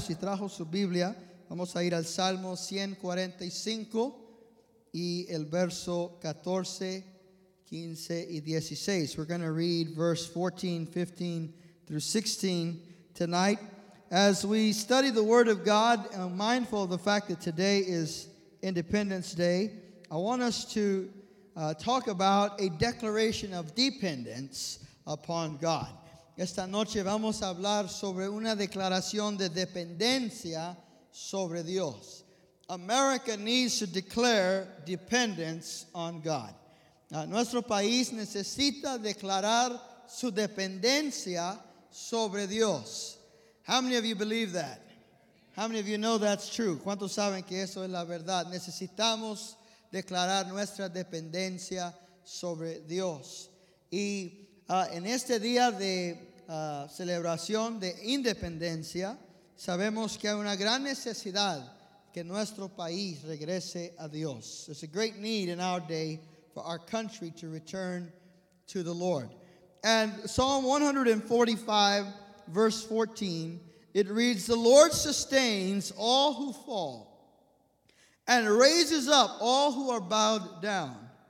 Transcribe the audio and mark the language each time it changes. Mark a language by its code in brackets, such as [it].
[es] Si trajo su Biblia, vamos a ir al Salmo 145 y el verso 14, 15 y 16. [en] We're going to read verse 14, 15 through 16 tonight. As we study the Word of God, I'm mindful of the fact that today is Independence Day, I want us to talk about a declaration of dependence upon God. [es] Esta noche vamos a hablar sobre una declaración de dependencia sobre Dios. [en] America needs to declare dependence on God. [es] Nuestro país necesita declarar su dependencia sobre Dios. [en] How many of you believe that? How many of you know that's true? [es] ¿Cuántos saben que eso es la verdad? Necesitamos declarar nuestra dependencia sobre Dios. Y en este día de celebración de independencia, sabemos que hay una gran necesidad que nuestro país regrese a Dios. [en] There's a great need in our day for our country to return to the Lord. And Psalm 145, verse 14, it reads, "The Lord sustains all who fall and raises up all who are bowed down.